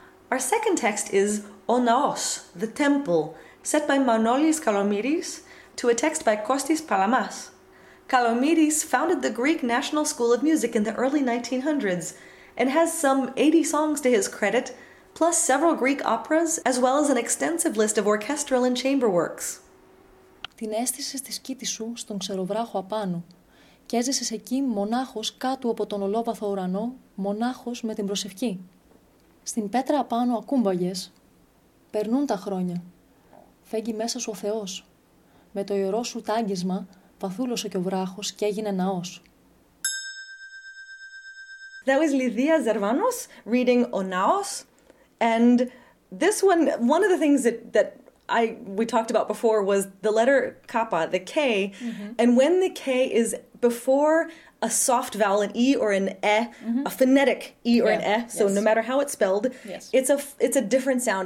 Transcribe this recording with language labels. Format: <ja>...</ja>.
<en>Our second text is O Naos, the Temple, set by Manolis Kalomiris to a text by Kostis Palamas. Kalomiris founded the Greek National School of Music in the early 1900s and has some 80 songs to his credit, plus several Greek operas, as well as an extensive list of orchestral and chamber works.</en> <el>Την αίσθησε στη σκήτη σου στον ξεροβράχο απάνω και έζησε εκεί μονάχος κάτω από τον ολόβαθο ουρανό, μονάχος με την προσευχή. Στην πέτρα απάνω ακούμπαγες. Περνούν τα χρόνια. Φέγγει μέσα σου ο Θεός. Με το ιερό σου τάγκισμα βαθούλωσε και ο βράχος και έγινε ναός.</el> <en>That was Lydia Zervanos reading O Naos. And this one of the things that we talked about before was the letter kappa, the K, and when the K is before a soft vowel, an E or an E, a phonetic E or an E, so no matter how it's spelled, it's a different sound.</en>